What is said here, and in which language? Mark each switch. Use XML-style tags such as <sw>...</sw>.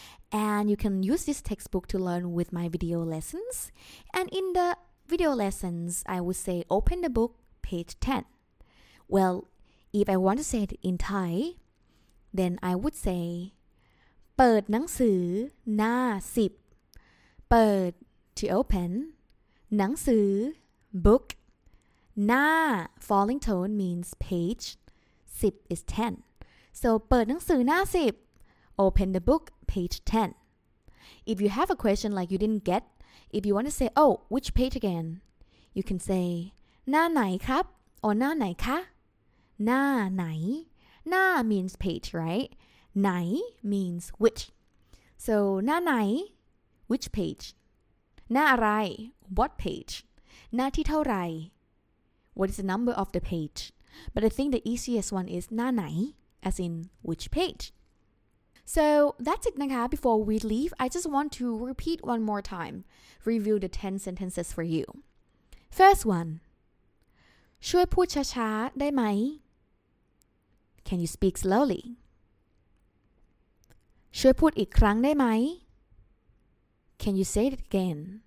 <en>And you can use this textbook to learn with my video lessons. And in the video lessons, I would say open the book page 10. Well, if I want to say it in Thai, then I would say</en> <th>เปิดหนังสือหน้า10</th> <en>เปิด to open หนังสือ book หน้า falling tone means page 10 is 10 so</en> <th>เปิดหนังสือหน้า 10</th> <en>open the book page 10 if you have a question like you didn't get if you want to say oh which page again you can say</en> <th>หน้าไหนครับ</th> <en>or</en> <th>หน้าไหนคะ</th> <en>หน้าไหนหน้า means page right ไหน means which so หน้าไหน which page หน้าอะไร what page</en> <th>หน้าที่เท่าไหร่</th> <en>What is the number of the page? But I think the easiest one is หน้าไหน, as in which page. So that's it, นะคะ. Before we leave, I just want to repeat one more time, review the 10 sentences for you. First one,</en> <th>ช่วยพูดช้าๆได้ไหม?</th> <en>Can you speak slowly?</en> <th>ช่วยพูดอีกครั้งได้ไหม?</th> <en>Can you say it again?</en>